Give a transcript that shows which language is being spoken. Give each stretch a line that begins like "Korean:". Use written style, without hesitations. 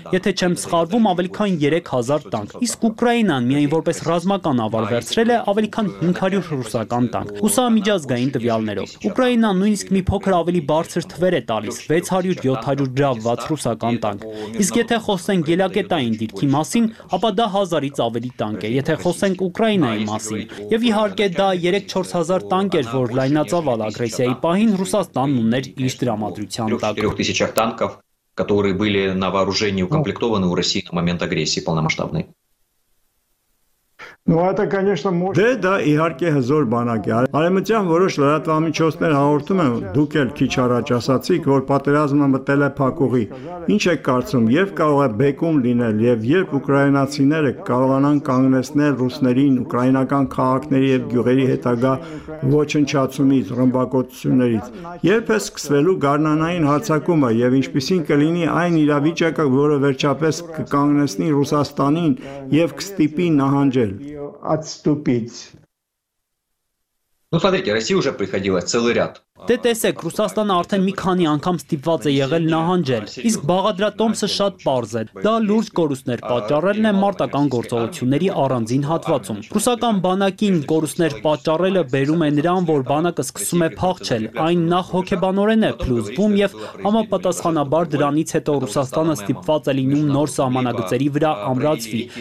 Armenian: եթե չեմ սխալվում, ավելի քան 3000 տանկ, իսկ Ուկրաինան միայն որպես ռազմական ավար վերցրել է ավելի քան 500 ռուսական տանկ։ Ուսամիջազգային տվյալներով Ուկրաինան նույնիսկ մի փոքր ավելի բարձր թվեր է տալիս՝ 600-700 դրավված ռուսական տանկ։ Իսկ եթե խոսենք ելակետային դիրքի մասին, ապա դա 1000-ից ավելի տանկ է, եթե խոսենք Ուկրաինայի մասին, եւ իհարկե դա 3-4 1000 տանկեր, որ լայնածավ ագրեսիայի պահին Ռուսաստանն ուներ իր դրամատրության տակ։
Russian: 3000 տանկով, которые были на вооружении укомплектованы у России на момент агрессии полномасштабной. Ну это, конечно, можно.
Armenian: Да, իհարկե հզոր բանակ է։ Արևմտյան որոշ լրատվամիջոցներ հաղորդում են, դուք էլ քիչ առաջ ասացիք, որ պատերազմը մտել է փակուղի։ Ինչ եք կարծում, եւ կարող է բեկում լինել, եւ երբ ուկրաինացիները կարողանան կանգնեցնել ռուսներին ուկրաինական քաղաքների եւ գյուղերի հետագա ոչնչացումից, ռմբակոծություններից, երբ է սկսվելու գարնանային հարձակումը եւ ինչպիսին կլինի այն իրավիճակը, որը վերջապես կկանգնեցնի Ռուսաստանին եւ կստիպի նահանջել։
Russian: отступить. Ну, смотрите, Россия уже приходила целый ряд.
Armenian: Դե տեսեք, Ռուսաստանը արդեն մի քանի անգամ ստիպված է եղել նահանջել, իսկ Բաղադրատոմսը շատ պարզ է։ Դա լուրջ կորուստներ պատճառելն է մարտական գործողությունների առանձին հատվածում։ Ռուսական բանակին կորուստներ պատճառելը բերում է նրան, որ բանակը սկսում է փախչել, այն նախ հոգեբանորեն է փլուզվում և համապատասխանաբար դրանից հետո Ռուսաստանը ստիպված է լինում նոր սահմանագծերի վրա ամրացվի,